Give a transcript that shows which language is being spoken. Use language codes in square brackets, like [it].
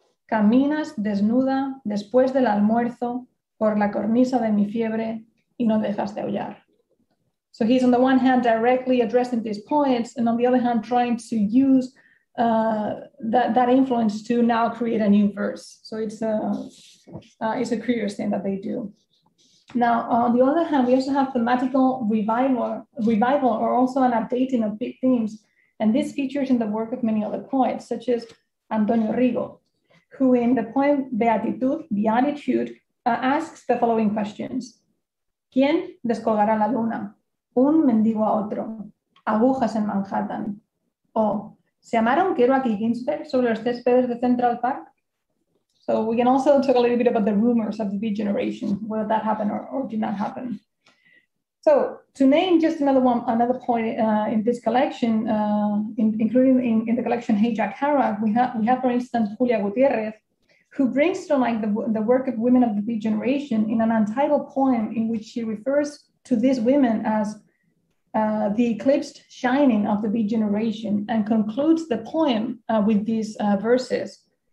[es] Caminas desnuda después del almuerzo por la cornisa de mi fiebre y no dejas de aullar. [en] So he's on the one hand directly addressing these poets and on the other hand trying to use that influence to now create a new verse. So it's a curious thing that they do. Now, on the other hand, we also have thematical revival or also an updating of big themes. And this features in the work of many other poets, such as Antonio Rigo, who in the poem Beatitud, Beatitude, asks the following questions. [es] ¿Quién descolgará la luna? Un mendigo a otro. Agujas en Manhattan. O, ¿se amaron Kerouac y Ginsberg sobre los céspedes de Central Park? [en] So we can also talk a little bit about the rumors of the beat generation, whether that happened or did not happen. So to name just another point in this collection, including in the collection Hey Jack Harrah, we have for instance, Julia Gutierrez, who brings to mind the work of women of the beat generation in an untitled poem in which she refers to these women as the eclipsed shining of the beat generation and concludes the poem with these verses.